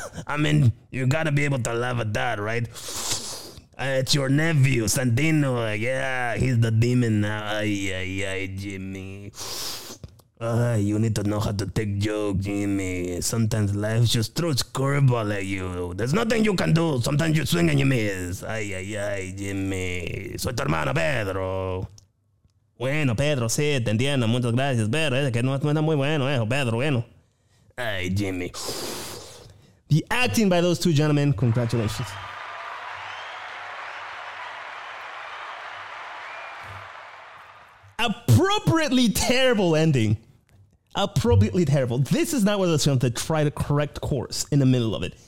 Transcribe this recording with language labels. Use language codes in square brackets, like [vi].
[en] I mean, you gotta be able to laugh at that, right? It's your nephew, Santino. Yeah, he's the demon now. Ay ay ay, Jimmy. You need to know how to take jokes, Jimmy. Sometimes life just throws curveball at you. There's nothing you can do. Sometimes you swing and you miss. [es] Ay, ay, ay, Jimmy. Soy tu hermano, Pedro. Bueno, Pedro, sí, te entiendo. Muchas gracias, Pedro. Es que no está muy bueno, Pedro, bueno. Ay, Jimmy. [en] The acting by those two gentlemen, congratulations. Appropriately terrible ending. Appropriately terrible. This is not one of those films that try to correct course in the middle of it.